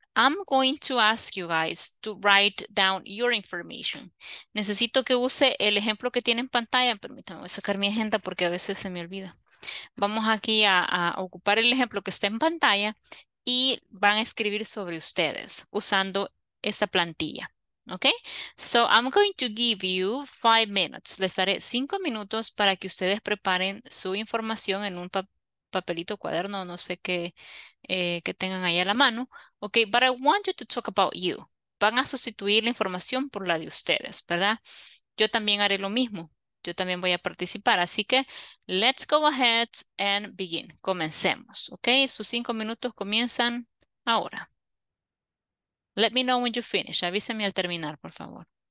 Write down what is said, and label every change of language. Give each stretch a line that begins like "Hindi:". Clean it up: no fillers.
English: I'm going to ask you guys to write down your information.
Spanish: Necesito que use el ejemplo que tiene en pantalla. Permítame, voy a sacar mi agenda porque a veces se me olvida. Vamos aquí a ocupar el ejemplo que está en pantalla y van a escribir sobre ustedes usando esta plantilla. Okay?
English: So I'm going to give you 5 minutes.
Spanish: Les daré 5 minutos para que ustedes preparen su información en un papelito, cuaderno, no sé qué que tengan ahí a la mano.
English: Okay, but I want you to talk about you.
Spanish: Van a sustituir la información por la de ustedes, ¿verdad? Yo también haré lo mismo. Yo también voy a participar. Así que,
English: let's go ahead and begin.
Spanish: Comencemos, okay? Sus 5 minutos comienzan ahora.
English: Let me know when you finish.
Spanish: Avísame al terminar, por favor.